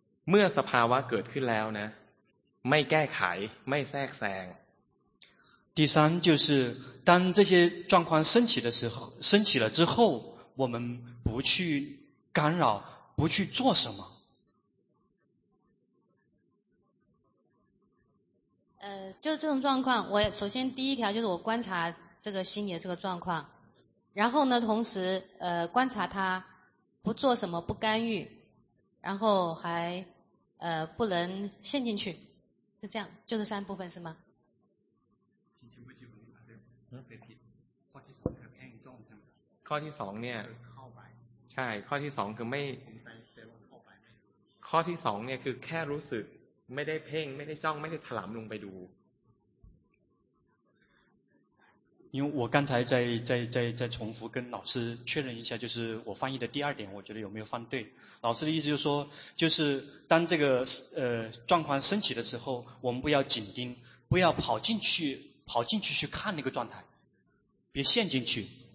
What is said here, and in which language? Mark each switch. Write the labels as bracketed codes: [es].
[th] เมื่อสภาวะเกิดขึ้นแล้วนะไม่แก้ไขไม่แทรกแซง [zh] 第三就是当这些状况升起的时候升起了之后我们不去干扰不去做什么就这种状况我首先第一条就是我观察这个心理的这个状况然后呢同时观察它不做什么不干预然后还不能陷进去是这样就是三部分是吗 [th] ข้อที่สองเนี่ยใช่ข้อที่สองคือไม่ข้อที่สองเนี่ยคือแค่รู้สึกไม่ได้เพ่งไม่ได้จ้องไม่ได้ถลำลงไปดู [zh] 因为我刚才在重复跟老师确认一下，就是我翻译的第二点，我觉得有没有翻对？老师的意思就是说，就是当这个状况升起的时候，我们不要紧盯，不要跑进去去看那个状态，别陷进去。